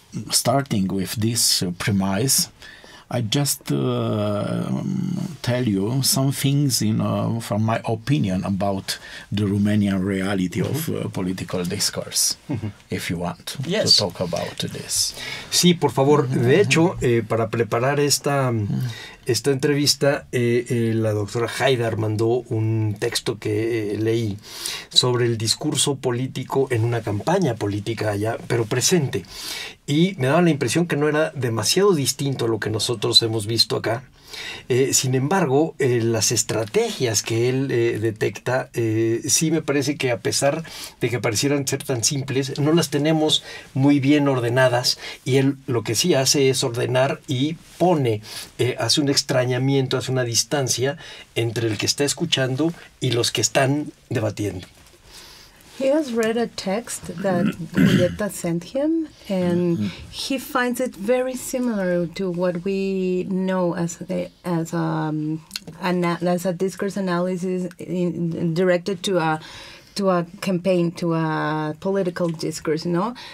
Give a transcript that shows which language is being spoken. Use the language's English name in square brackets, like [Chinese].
[English] Starting with this premise, I just tell you some things, you know, from my opinion about the Romanian reality of political discourse, if you want to talk about this. [Spanish] Sí, por favor. De hecho, para preparar esta entrevista, la doctora Haidar mandó un texto que leí sobre el discurso político en una campaña política allá, pero presente. Y me daba la impresión que no era demasiado distinto a lo que nosotros hemos visto acá. Sin embargo, las estrategias que él detecta, sí me parece que a pesar de que parecieran ser tan simples, no las tenemos muy bien ordenadas. Y él lo que sí hace es ordenar y pone, hace un extrañamiento, hace una distancia entre el que está escuchando y los que están debatiendo. [English] He has read a text that Julieta sent him, and he finds it very similar to what we know as a discourse analysis directed to a campaign, to a political discourse, you know?